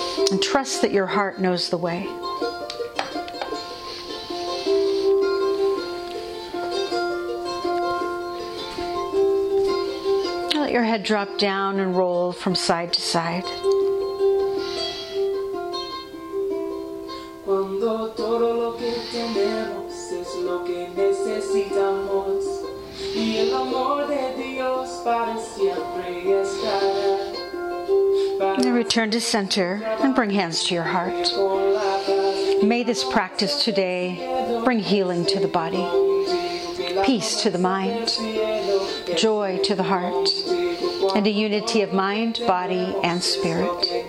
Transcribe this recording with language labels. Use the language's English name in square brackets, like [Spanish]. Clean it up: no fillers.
[English] And trust that your heart knows the way. Let your head drop down and roll from side to side. [Spanish] Cuando todo lo que tenemos es lo que necesitamos, y el amor de Dios para siempre estará. [English] Now return to center and bring hands to your heart. May this practice today bring healing to the body, peace to the mind, joy to the heart, and a unity of mind, body, and spirit.